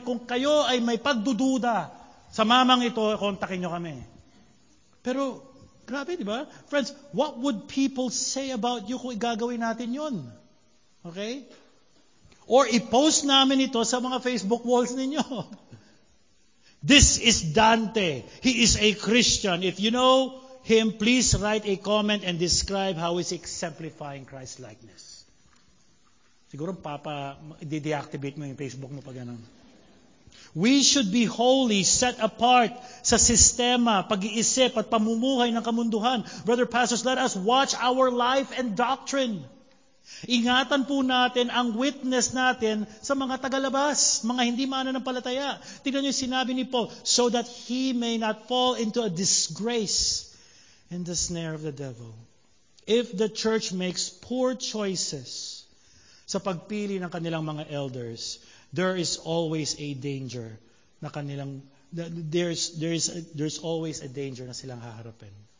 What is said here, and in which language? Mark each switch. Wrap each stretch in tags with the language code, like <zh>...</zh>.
<tl>Kung kayo ay may pagdududa sa mamang ito, kontakin nyo kami. Pero, grabe, di ba?</tl> <en>Friends, what would people say about you</en> <tl>kung igagawin natin yun?</tl> <en>Okay?</en> <tl>Or ipost namin ito sa mga Facebook walls ninyo.</tl> <en>This is Dante. He is a Christian. If you know him, please write a comment and describe how he's exemplifying Christ-likeness.</en> <tl>Siguro, Papa, i-deactivate mo yung Facebook mo pag ganun.</tl> <en>We should be holy, set apart</en> <tl>sa sistema, pag-iisip at pamumuhay ng kamunduhan.</tl> <en>Brother pastors, let us watch our life and doctrine.</en> <tl>Ingatan po natin ang witness natin sa mga tagalabas, mga hindi mananampalataya. Tingnan niyo sinabi ni</tl> <en>Paul, so that he may not fall into a disgrace in the snare of the devil. If the church makes poor choices</en> <tl>sa pagpili ng kanilang mga</tl> <en>elders, there is always a danger na kanilang there's always a danger</en> <tl>na silang haharapin.</tl>